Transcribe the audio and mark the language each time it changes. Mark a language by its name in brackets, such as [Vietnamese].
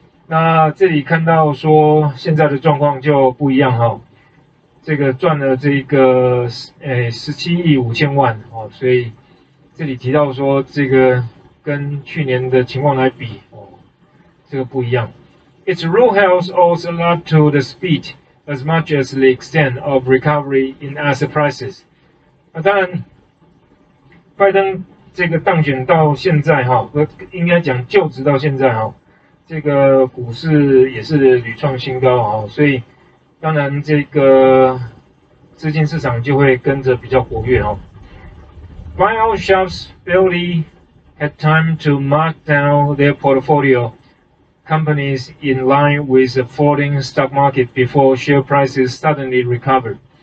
[Chinese] 那这里看到说现在的状况就不一样哈，这个赚了这个17亿5千万哦，所以这里提到说这个。跟去年的情况来比，哦，这个不一样。 [English] Its rural health owes a lot to the speed as much as the extent of recovery in asset prices。 [Chinese] 那当然，拜登这个当选到现在哈，应该讲就职到现在哈，这个股市也是屡创新高啊，所以当然这个资金市场就会跟着比较活跃哦。 [English] Buyout shops barely had time to mark down their portfolio companies in line with the falling stock market before share prices suddenly recovered。